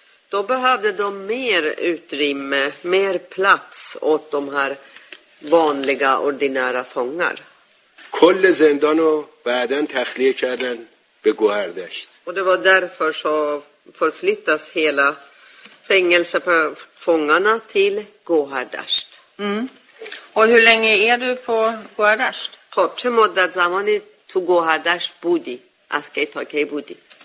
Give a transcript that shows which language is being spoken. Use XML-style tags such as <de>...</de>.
<sv>Då behövde de mer utrymme, mer plats åt de här vanliga, ordinära fångar.</sv> <fa>کل زندانو بعدن تخلیه کردن به گوهردشت.</fa> <sv>و det var därför så förflyttas hela fängelse på fångarna till Gohardasht. Och hur länge är du på Gohardasht?</sv> <fa>خب چه مدت زمانی تو گوهردشت بودی؟ از کی تا کی بودی؟</fa>